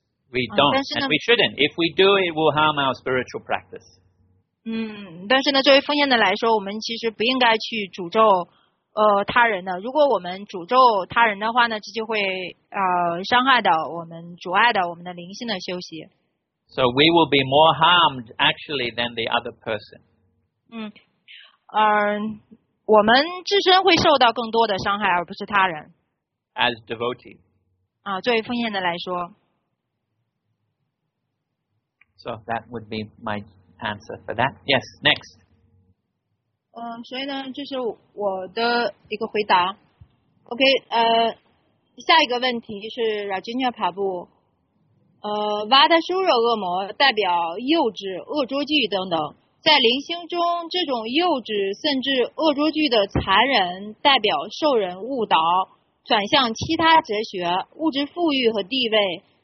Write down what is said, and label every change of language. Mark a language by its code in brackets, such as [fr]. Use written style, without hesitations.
[en] We don't, and we shouldn't. If we do, it will harm our spiritual practice. [zh] 但是呢，作为奉献的来说，我们其实不应该去诅咒他人的。如果我们诅咒他人的话呢，这就会伤害到我们阻碍的我们的灵性的休息。 [en] So we will be more harmed actually than the other person. [zh] 我们自身会受到更多的伤害，而不是他人。 [en] As devotees. [zh] 作为奉献的来说。 [en] So that would be my answer for that. Yes, next. [zh] 所以呢，这是我的一个回答。 OK， 下一个问题是 Rajinya Prabhu， Vadasura 恶魔代表幼稚、恶作剧等等，在灵性中，这种幼稚甚至恶作剧的残忍，代表受人误导，转向其他哲学、物质富裕和地位。